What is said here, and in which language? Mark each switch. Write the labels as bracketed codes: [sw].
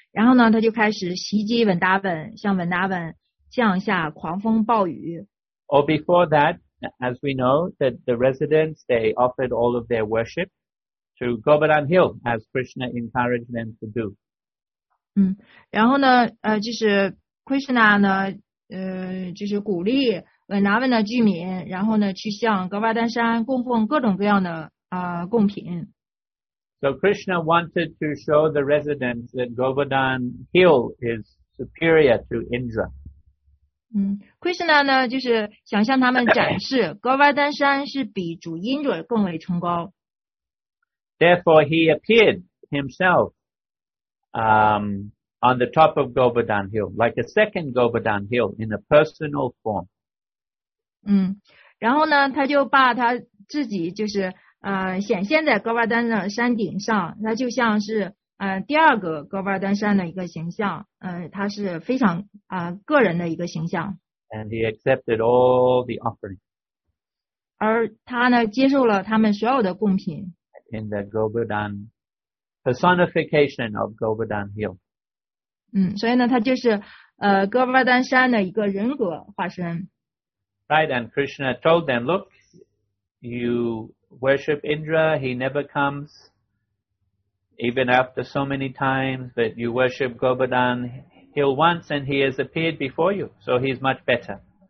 [zh] 然后呢，他就开始袭击文达本，向文达本降下狂风暴雨。 [en] Or before that, as we know, that the residents they offered all of their worship to Govardhan Hill, as Krishna encouraged them to do. [zh] 嗯，然后呢，就是 Krishna 呢，就是鼓励文达本的居民，然后呢，去向格瓦丹山供奉各种各样的贡品。 [en] So Krishna wanted to show the residents that Govardhan Hill is superior to Indra. [zh] 嗯 ，Krishna 呢，就是想向他们展示 Govardhan 山是比主 Indra 更为崇高。 [en] Therefore, he appeared himself, on the top of Govardhan Hill, like a second Govardhan Hill in a personal form. [zh] 嗯，然后呢，他就把他自己就是。显现在格瓦丹的山顶上，那就像是第二个格瓦丹山的一个形象，它是非常个人的一个形象。 [en] And he accepted all the offering. [zh] 而他呢，接受了他们所有的贡品。 [en] In the Govardhan personification of Govardhan Hill. [zh] 嗯，所以呢，他就是格瓦丹山的一个人格化身。 [en] Right, and Krishna told them, "Look, you." Worship Indra, he never comes, even after so many times, but you worship Govardhan Hill once and he has appeared before you, so he's much better.